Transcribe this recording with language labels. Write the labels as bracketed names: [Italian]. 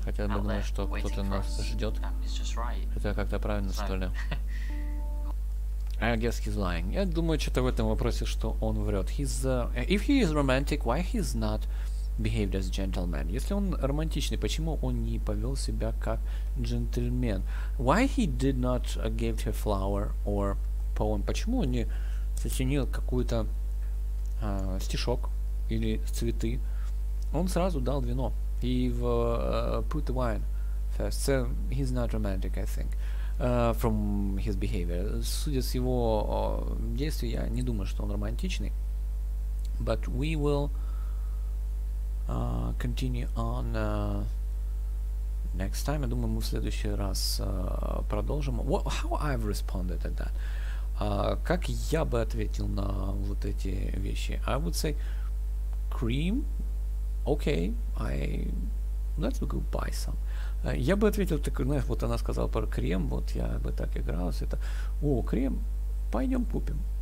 [Russian] Хотя бы думаю, что кто-то нас ждет. Это как-то правильно, что ли? [English] I guess he's lying. [Russian] Я думаю, что-то в этом вопросе, что он врет. [English] If he is romantic, why he's not behaved as a gentleman? [Russian] Если он романтичный, почему он не повел себя как джентльмен? [English] Why he did not give her flower or poem? [Russian] Почему он не сочинил какую-то стишок? Или цветы, он сразу дал вино. [English] He put the wine first. So he's not romantic, I think, from his behavior. [Russian] Судя с его действий, я не думаю, что он романтичный. [English] But we will continue on next time. [Russian] Я думаю, мы в следующий раз продолжим. [English] How I've responded to that? [Russian] Как я бы ответил на вот эти вещи? [English] I would say, cream, okay, let's go buy some. [Russian] Я бы ответил так, знаешь, вот она сказала про крем, вот я бы так игрался, это, о, крем, пойдем купим.